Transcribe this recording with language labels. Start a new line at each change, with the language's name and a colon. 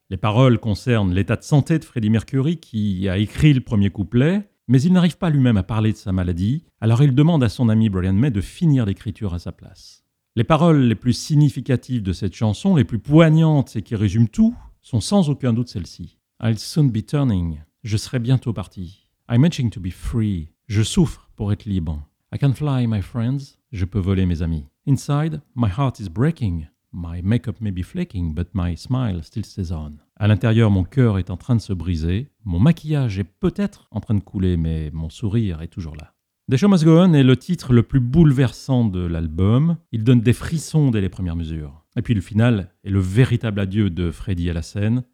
French: Les paroles concernent l'état de santé de Freddie Mercury qui a écrit le premier couplet, mais il n'arrive pas lui-même à parler de sa maladie, alors il demande à son ami Brian May de finir l'écriture à sa place. Les paroles les plus significatives de cette chanson, les plus poignantes et qui résument tout, sont sans aucun doute celles-ci.
English: I'll soon be turning.
French: Je serai bientôt parti.
English: I'm itching to be free.
French: Je souffre pour être libre.
English: I can fly, my friends.
French: Je peux voler, mes amis.
English: Inside, my heart is breaking. My makeup may be flaking, but my smile still stays on.
French: À l'intérieur, mon cœur est en train de se briser. Mon maquillage est peut-être en train de couler, mais mon sourire est toujours là. The Show Must Go On est le titre le plus bouleversant de l'album. Il donne des frissons dès les premières mesures. Et puis le final est le véritable adieu de Freddie à la scène.